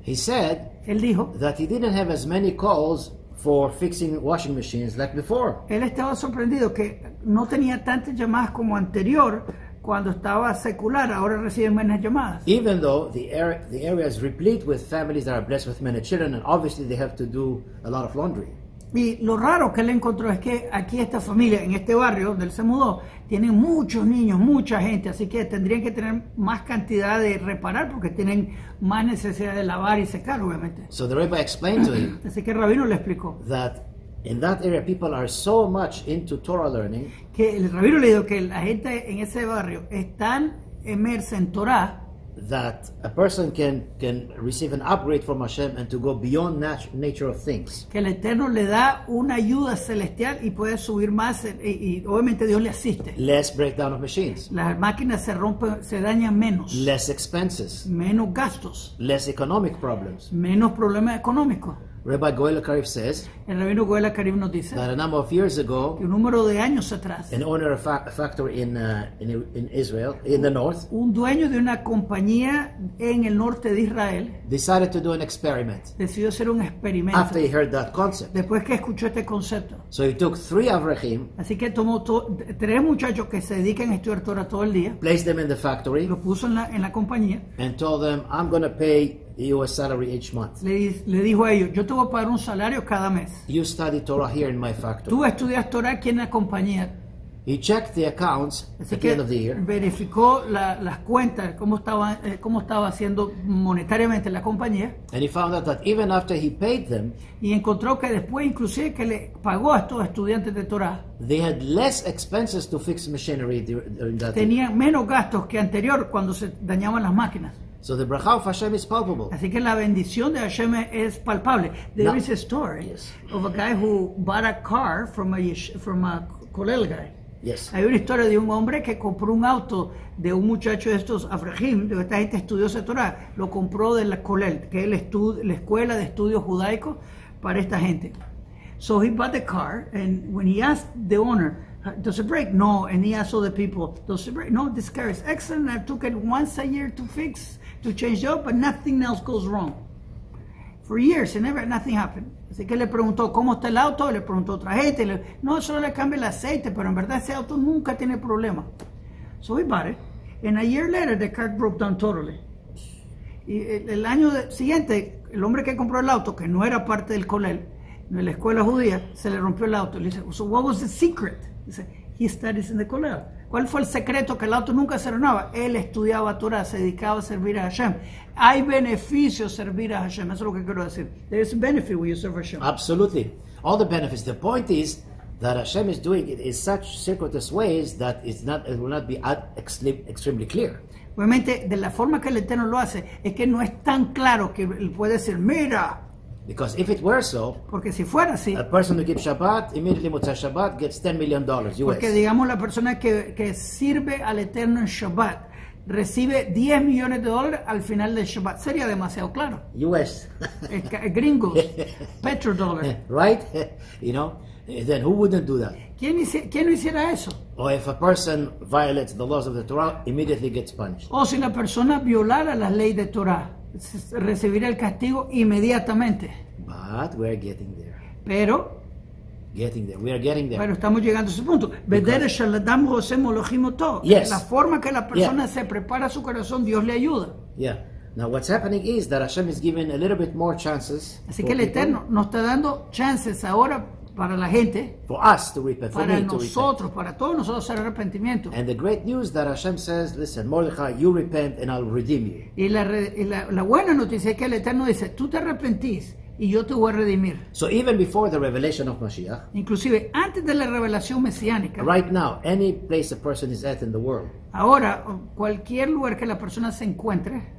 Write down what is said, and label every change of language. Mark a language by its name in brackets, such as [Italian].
[English] he said, [Spanish] él dijo, [English] that he didn't have as many calls for fixing washing machines like before. [Spanish] Él estaba sorprendido que no tenía tantas llamadas como anterior cuando estaba secular. Ahora recibe menos llamadas. [English] Even though the area is replete with families that are blessed with many children, and obviously they have to do a lot of laundry. [Spanish] Y lo raro que él encontró es que aquí esta familia, en este barrio donde él se mudó, tiene muchos niños, mucha gente, así que tendrían que tener más cantidad de reparar porque tienen más necesidad de lavar y secar, obviamente. [English] So the rabbi explained to him. [Spanish] Así que el rabino le explicó. [English] That in that area people are so much into Torah learning. [Spanish] Que el rabino le dijo que la gente en ese barrio es tan inmersa en Torah. [English] That a person can receive an upgrade from Hashem and to go beyond nature of things. [Spanish] Que el Eterno le da una ayuda celestial y puede subir más y obviamente Dios le asiste. [English] Less breakdown of machines. [Spanish] Las máquinas se rompen, se dañan menos. [English] Less expenses. [Spanish] Menos gastos. [English] Less economic problems. [Spanish] Menos problemas económicos. [English] Rabbi Goel Akarif says. [Spanish] El rabino Goel Akarif nos dice. [English] That a number of years ago. [Spanish] Un número de años atrás. [English] An owner of a factory in Israel, in the north. [Spanish] Un dueño de una compañía en el norte de Israel. [English] Decided to do an experiment. [Spanish] Decidió hacer un experimento. [English] After he heard that concept. [Spanish] Después que escuchó este concepto. [English] So he took three avrechim. [Spanish] Así que tomó tres muchachos que se dedican a estudiar Torah todo el día. [English] Placed them in the factory. [Spanish] Los puso en la compañía. [English] And told them, I'm going to pay. You a salary each month. [Spanish] Le dijo a ellos, yo te voy a pagar un salario cada mes. [English] You study Torah here in my factory. [Spanish] Tú estudias Torah aquí en la compañía. [English] He checked the accounts [Spanish] así [English] at the end of the year. [Spanish] Verificó las cuentas, cómo estaba haciendo monetariamente la compañía. [English] And he found out that even after he paid them. [Spanish] Y encontró que después, inclusive, que le pagó a estos estudiantes de Torah. [English] They had less expenses to fix machinery during that. [Spanish] Tenían menos gastos que anterior cuando se dañaban las máquinas. [English] So the bracha of Hashem is palpable. [Spanish] Así que la bendición de Hashem es palpable. [English] There is a story of a guy who bought a car from a kollel guy. Yes. [Spanish] Hay una historia de un hombre que compró un auto de un muchacho de estos afrejim, de esta gente estudiosa de Torah, lo compró de la kollel, que es la escuela de estudios judaicos para esta gente. [English] So he bought the car, and when he asked the owner, does it break? No. And he asked all the people, does it break? No, this car is excellent. I took it once a year to fix, to change it up, but nothing else goes wrong. For years, and never, nothing happened. [Spanish] Así que le preguntó, ¿cómo está el auto? Le preguntó otra gente. No, solo le cambia el aceite, pero en verdad ese auto nunca tiene problema. [English] So he bought it. And a year later, the car broke down totally. [Spanish] Y el año siguiente, el hombre que compró el auto, que no era parte del kollel, de la escuela judía, se le rompió el auto. Le dice, [English] so what was the secret? He studies in the kollel. [Spanish] ¿Cuál fue el secreto que el auto nunca se renovaba? Él estudiaba Torah, se dedicaba a servir a Hashem. Hay beneficio servir a Hashem. Eso es lo que quiero decir. [English] There is a benefit when you serve Hashem. Absolutely. All the benefits. The point is that Hashem is doing it in such circuitous ways that it will not be extremely clear. [Spanish] Obviamente, de la forma que el Eterno lo hace, es que no es tan claro que él puede decir, mira. [English] Because if it were so, [Spanish] porque si fuera así, [English] a person who keeps Shabbat immediately Motzei Shabbat gets $10 million US. [Spanish] Porque digamos la persona que sirve al Eterno en Shabbat recibe 10 millones de dólares al final del Shabbat. Sería demasiado claro. [English] US. [Spanish] Gringos. Petrodollar. [English] Right? You know? Then who wouldn't do that? [Spanish] ¿Quién no hiciera eso? [English] Or if a person violates the laws of the Torah, immediately gets punished. [Spanish] O si la persona violara las leyes de Torah, recibiría el castigo inmediatamente. [English] But we are getting there. [Spanish] Pero. [English] Getting there. We are getting there. [Spanish] Pero estamos llegando a ese punto. [English] Because, yes. [Spanish] La forma que la persona se prepara su corazón, Dios le ayuda. [English] Yeah. Now what's happening is that Hashem is giving a little bit more chances. [Spanish] Así que el Eterno nos está dando chances ahora para la gente. [English] For us to repent. [Spanish] Para nosotros, para todos nosotros hacer arrepentimiento. [English] And the great news that Hashem says, listen, Mordechai, you repent and I'll redeem you. [Spanish] Y la buena noticia es que el Eterno dice, tú te arrepentís. Y yo te voy a redimir. [English] So even before the revelation of Mashiach, [Spanish] inclusive antes de la revelación mesiánica, [English] right now, any place a person is at in the world, [Spanish] ahora, cualquier lugar que la persona se encuentre,